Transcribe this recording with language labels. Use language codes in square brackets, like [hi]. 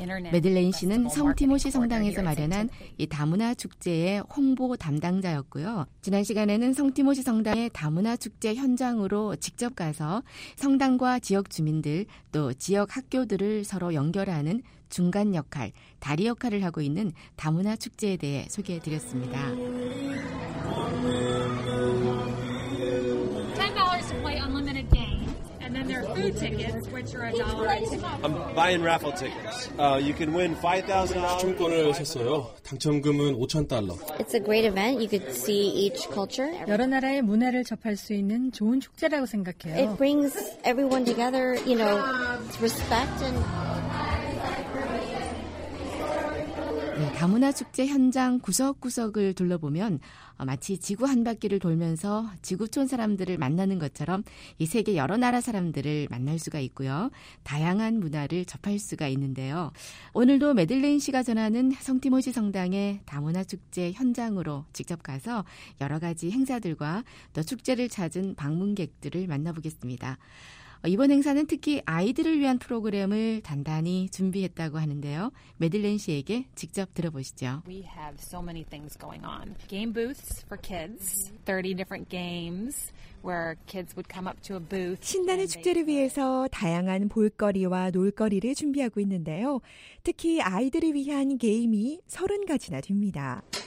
[ko] 매들레인 씨는 성 티모시 성당에서 마련한 이 다문화 축제의 홍보 담당자였고요. 지난 시간에는 성 티모시 성당의 다문화 축제 현장으로 직접 가서 성당과 지역 주민들 또 지역 학교들을 서로 연결하는 중간 역할, 다리 역할을 하고 있는 다문화 축제에 대해 소개해드렸습니다. [en] $10 to play unlimited games, and then there are food tickets, which are $1. I'm buying raffle tickets. You can win $5,000. [ko] 추첨권을 샀어요. 당첨금은 $5,000. [en] It's a great event. You could see each culture. [ko] 여러 나라의 문화를 접할 수 있는 좋은 축제라고 생각해요. [en] It brings everyone together, you know, respect and... [ko] 다문화 축제 현장 구석구석을 둘러보면 마치 지구 한 바퀴를 돌면서 지구촌 사람들을 만나는 것처럼 이 세계 여러 나라 사람들을 만날 수가 있고요. 다양한 문화를 접할 수가 있는데요. 오늘도 매들레인 씨가 전하는 성티모시 성당의 다문화 축제 현장으로 직접 가서 여러 가지 행사들과 또 축제를 찾은 방문객들을 만나보겠습니다. 이번 행사는 특히 아이들을 위한 프로그램을 단단히 준비했다고 하는데요. 매들렌 씨에게 직접 들어보시죠. [en] We have so many things going on. Game booths for kids. 30 different games where kids would come up to a booth. [ko] 신나는 축제를 위해서 다양한 볼거리와 놀거리를 준비하고 있는데요. 특히 아이들을 위한 게임이 30가지나 됩니다.